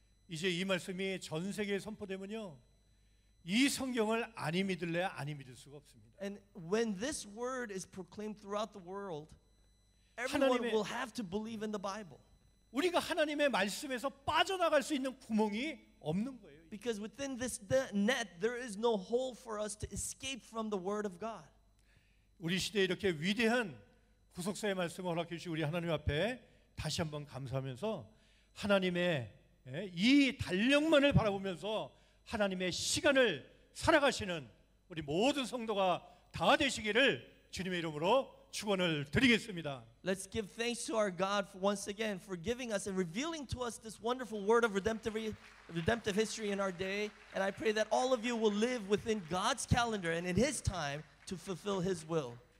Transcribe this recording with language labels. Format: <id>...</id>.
<ko>이제 이 말씀이 전 세계에 선포되면요. 이 성경을 아니 믿을래 아니 믿을 수가 없습니다.</ko> <en>And when this word is proclaimed throughout the world, everyone will have to believe in the Bible.</en> <ko>우리가 하나님의 말씀에서 빠져나갈 수 있는 구멍이 없는 거예요.</ko> <en>Because within this net, there is no hole for us to escape from the word of God.</en> <ko>우리 시대에 이렇게 위대한 구속사의 말씀을 허락해 주신 우리 하나님 앞에 다시 한번 감사하면서 하나님의 이 달력만을 바라보면서 하나님의 시간을 살아가시는 우리 모든 성도가 다 되시기를 주님의 이름으로 축원을 드리겠습니다.</ko> <en>Let's give thanks to our God for once again for giving us and revealing to us this wonderful word of redemptive history in our day. And I pray that all of you will live within God's calendar and in His time to fulfill His will.</en>